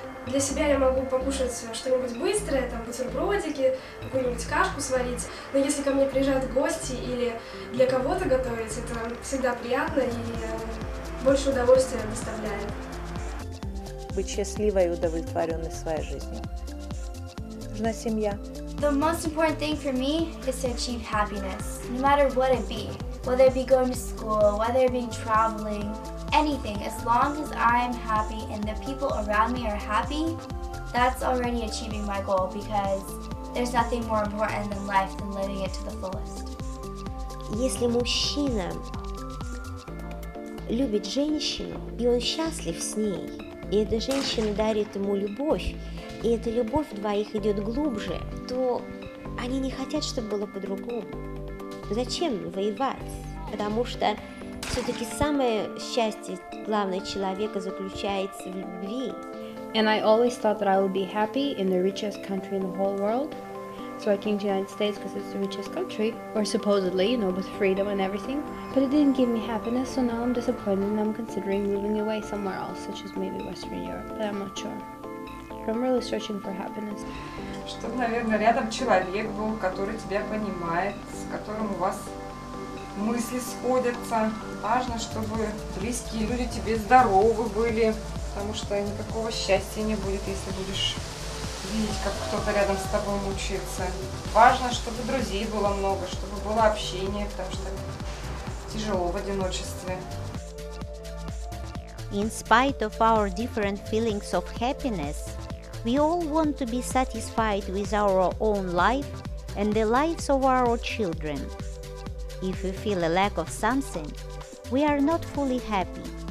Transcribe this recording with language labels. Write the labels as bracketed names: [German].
[Russian] Для себя я могу покушать что-нибудь быстрое, там, бутербродики, какую-нибудь кашку сварить. Но если ко мне приезжают гости или для кого-то готовить, это всегда приятно и больше удовольствия доставляет. Быть счастливой и удовлетворенной своей жизнью. Нужна семья. [English] The most important thing for me is to achieve happiness, no matter what it be. Whether it be going to school, whether it be traveling, anything, as long as I'm happy and the people around me are happy, that's already achieving my goal, because there's nothing more important than life than living it to the fullest. [Russian] Если мужчина любит женщину, и он счастлив с ней, и эта женщина дарит ему любовь, и эта любовь двоих идет глубже, то они не хотят, чтобы было по-другому. Зачем воевать? Потому что все-таки самое счастье главное человека заключается в любви. [English] And I always thought that I would be happy in the richest country in the whole world. So I came to the United States because it's the richest country, or supposedly, you know, with freedom and everything. But it didn't give me happiness, so now I'm disappointed and I'm considering moving away somewhere else, such as maybe Western Europe, but I'm not sure. I'm really searching for happiness. [Russian] Чтобы, наверное, рядом человек был, который тебя понимает, с которым у вас мысли сходятся. Важно, чтобы близкие люди тебе здоровы были, потому что никакого счастья не будет, если будешь видеть, как кто-то рядом с тобой мучается. Важно, чтобы друзей было много, чтобы было общение, потому что тяжело в одиночестве. [English] In spite of our different feelings of happiness, we all want to be satisfied with our own life and the lives of our children. If we feel a lack of something, we are not fully happy.